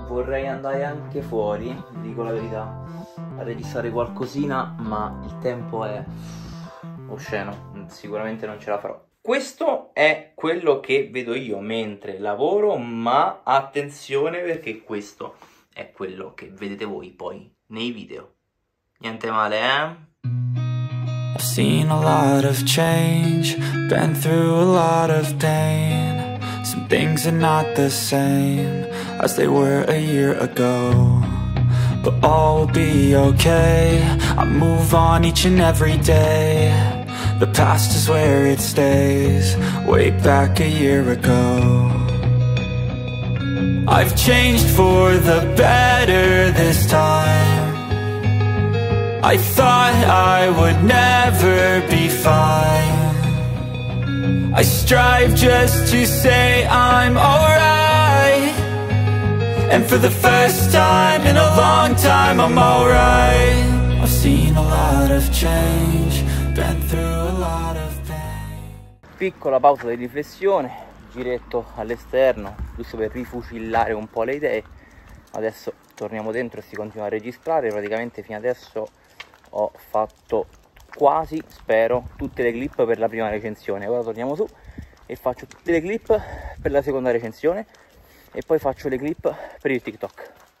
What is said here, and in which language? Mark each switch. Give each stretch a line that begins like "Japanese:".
Italian: Vorrei andare anche fuori, dico la verità, a registrare qualcosina, ma il tempo è osceno, sicuramente non ce la farò. Questo è quello che vedo io mentre lavoro, ma attenzione perché questo è quello che vedete voi poi nei video. Niente male, eh?
English: I've seen a lot of change, been through a lot of pain. Some things are not the same as they were a year ago. But all will be okay, I move on each and every day. The past is where it stays, way back a year ago. I've changed for the better this time. I thought I would never be fine. I strive just to say I'm alright. And for the first time in a long time I'm alright. I've seen a lot of change, been through a lot of pain.
Italian: Piccola pausa di riflessione, giretto all'esterno, giusto per rifucillare un po' le idee. Adesso torniamo dentro e si continua a registrare. Praticamente fino adesso ho fatto quasi, spero, tutte le clip per la prima recensione. Ora torniamo su e faccio tutte le clip per la seconda recensione e poi faccio le clip per il TikTok.